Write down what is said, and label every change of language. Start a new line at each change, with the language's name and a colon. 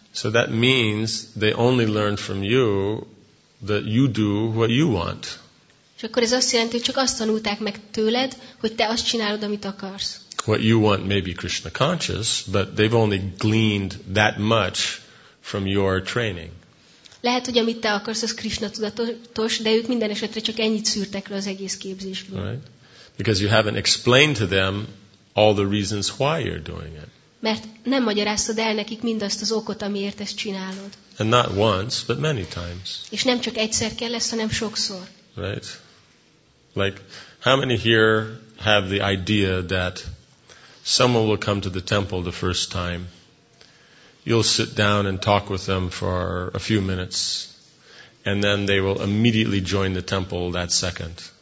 English: So that means they only learn from you that you do what you want.
Hungarian: És akkor ez azt jelenti, hogy csak azt tanulták meg tőled, hogy te azt csinálod, amit akarsz.
English: What you want may be Krishna conscious, but they've only gleaned that much from your training.
Hungarian: Lehet, hogy amit te akarsz, az Krishna tudatos, de ők minden esetre csak ennyit szűrtek le az egész képzésből.
English: Right? Because you haven't explained to them all the reasons why you're doing it.
Hungarian: Mert nem magyaráztad el nekik mindazt az okot, amiért ezt csinálod.
English: And not once, but many times.
Hungarian: És nem csak egyszer kell lesz, hanem sokszor.
English: Right? Like, how many here have the idea that someone will come to the temple the first time, you'll sit down and talk with them for a few minutes, and then they will immediately join the temple that second?